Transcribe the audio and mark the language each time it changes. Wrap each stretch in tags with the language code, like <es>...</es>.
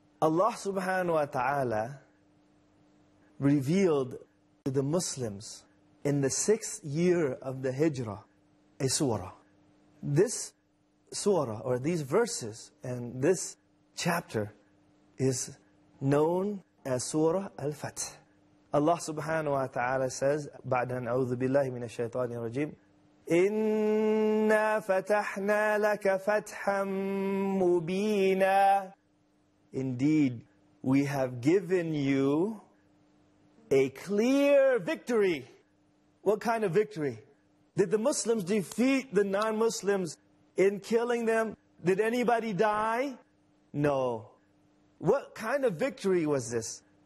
<en>Allah subhanahu wa ta'ala revealed to the Muslims in the sixth year of the Hijrah a surah. This surah, or these verses and this chapter, is known as Surah Al-Fath. Allah subhanahu wa ta'ala says,</en> <ar>بعد أن أعوذ بالله من الشيطان الرجيم, إِنَّا فَتَحْنَا لَكَ فَتْحًا مُبِينًا.</ar> <en>Indeed, we have given you a clear victory. What kind of victory? Did the Muslims defeat the non-Muslims in killing them? Did anybody die? No. What kind of victory was this?</en>